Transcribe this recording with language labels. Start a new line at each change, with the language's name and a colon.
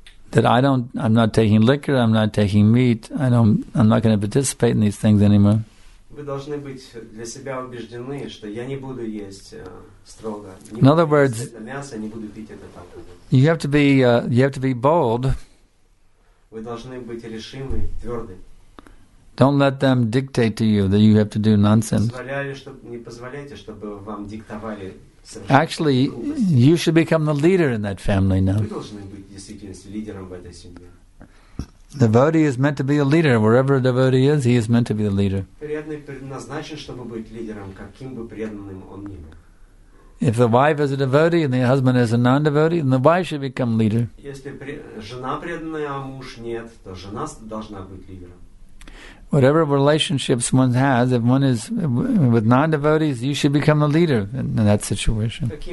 English: That I'm not taking liquor, I'm not taking meat, I'm not going to participate in these things anymore.
Russian: Вы должны быть для себя убеждены, что я не буду есть строго.
English: In other words,
Russian: мясо, не буду пить это там.
English: You have to be bold.
Russian: Вы должны быть решимы, твёрды.
English: Don't let them dictate to you that you have to do nonsense.
Russian: Не позволяйте, чтобы вам диктовали.
English: Actually, you should become the leader in that family now.
Russian: Вы должны быть действительно лидером в этой семье.
English: The devotee is meant to be a leader. Wherever a devotee is, he is meant to be the leader.
Russian: Преданный предназначен, чтобы быть лидером, каким бы преданным он ни был.
English: If the wife is a devotee and the husband is a non-devotee, then the wife should become leader.
Russian: Если жена преданная, а муж нет, то жена должна быть лидером.
English: Whatever relationships one has, if one is with non-devotees, you should become the leader in that situation.